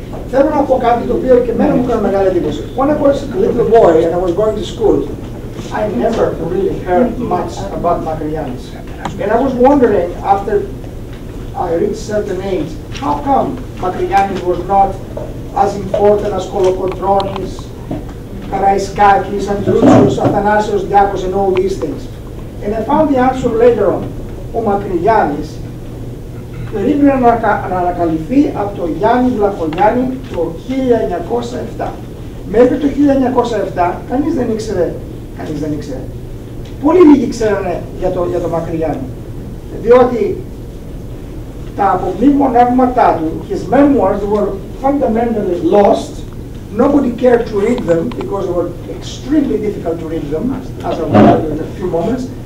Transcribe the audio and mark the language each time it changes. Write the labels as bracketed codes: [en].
[el] Θέλω να πω κάτι το οποίο και εμένα μου έκανε μεγάλη εντύπωση. [en] When I was a little boy and I was going to school, I never really heard much about Μακρυγιάννης. And I was wondering, after I reached certain age, how come Μακρυγιάννης was not as important as Κολοκοτρώνης, Καραϊσκάκης, Αντρούτσος, Αθανάσιος Διάκος and all these things. And I found the answer later on. [el] Ο Μακρυγιάννης περίμενε να ανακαλυφθεί από τον Γιάννη Βλαχογιάννη το 1907. Μέχρι το 1907 κανείς δεν ήξερε. Πολύ λίγοι ξέρανε για το Μακρυγιάννη. Διότι τα απομνημονεύματά του, [en] his memoirs were fundamentally lost. Nobody cared to read them because they were extremely difficult to read them, as I will tell you in a few moments.